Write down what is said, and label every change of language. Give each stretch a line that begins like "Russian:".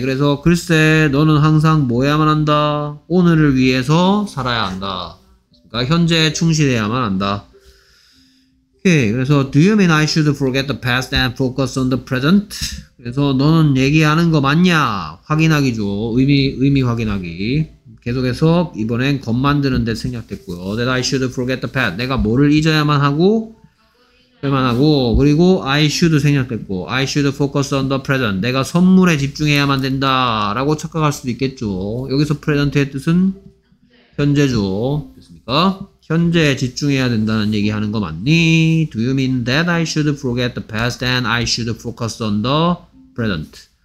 Korean: 그래서 글쎄 너는 항상 뭐해야만 한다. 오늘을 위해서 살아야 한다. 그러니까 현재에 충실해야만 한다. 오케이. 그래서
English: Do you mean I should forget the past and focus on the present?
Korean: 그래서 너는 얘기하는 거 맞냐? 확인하기죠. 의미 확인하기. 계속해서 이번엔 겁 만드는 데 생략됐고요.
English: That I should forget the past.
Korean: 내가 뭐를 잊어야만 하고? 할만 하고. 그리고
English: I should
Korean: 생략됐고.
English: I should focus on the present.
Korean: 내가 선물에 집중해야만 된다. 라고 착각할 수도 있겠죠. 여기서 present의 뜻은? 현재죠. 됐습니까? 현재에 집중해야 된다는 얘기 하는 거 맞니?
English: Do you mean that I should forget the past and I should focus on the present?